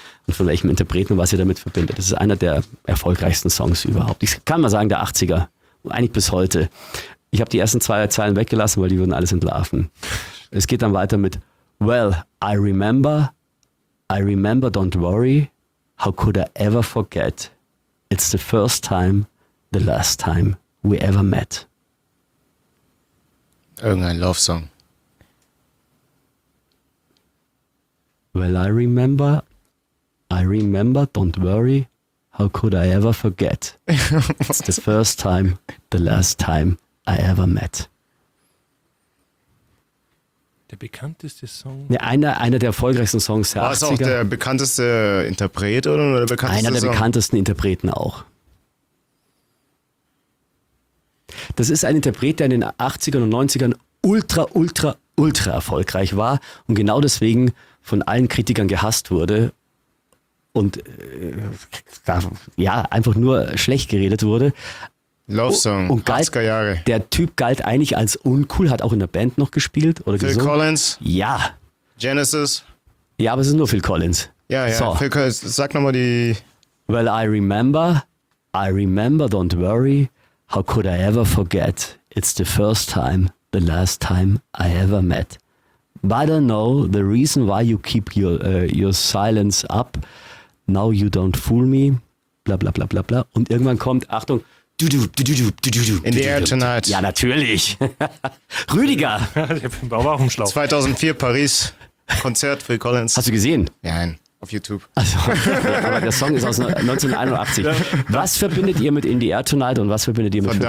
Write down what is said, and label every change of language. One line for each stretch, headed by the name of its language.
German: Und von welchem Interpreten und was ihr damit verbindet. Das ist einer der erfolgreichsten Songs überhaupt. Ich kann mal sagen, der 80er. Eigentlich bis heute. Ich habe die ersten zwei Zeilen weggelassen, weil die würden alles entlarven. Es geht dann weiter mit
English: Well, I remember, don't worry. How could I ever forget? It's the first time, the last time we ever met.
German: Irgendein Love Song.
English: Well, I remember, don't worry, how could I ever forget? It's the first time, the last time I ever met.
German: Der bekannteste Song? Ja, einer der erfolgreichsten Songs der 80er. War es auch der bekannteste Interpret oder der bekannteste Song? Einer der bekanntesten Interpreten auch. Das ist ein Interpret, der in den 80ern und 90ern ultra, ultra, ultra erfolgreich war und genau deswegen von allen Kritikern gehasst wurde. Und einfach nur schlecht geredet wurde.
English: Love Song,
German: und galt, 80er Jahre. Der Typ galt eigentlich als uncool, hat auch in der Band noch gespielt oder Phil gesungen. Phil Collins? Ja. Genesis? Ja, aber es ist nur Phil Collins. Ja, ja. So. Phil Collins, sag nochmal die...
English: Well, I remember, don't worry, how could I ever forget? It's the first time, the last time I ever met. But I don't know the reason why you keep your silence up. Now you don't fool me. Bla bla bla bla bla.
German: Und irgendwann kommt, Achtung,
English: In the air tonight.
German: Ja, natürlich. Rüdiger. Der war auch im Schlauch. 2004 Paris. Konzert Phil Collins. Hast du gesehen? Nein, auf YouTube. Also, aber der Song ist aus 1981. Was verbindet ihr mit In the air tonight und was verbindet ihr mit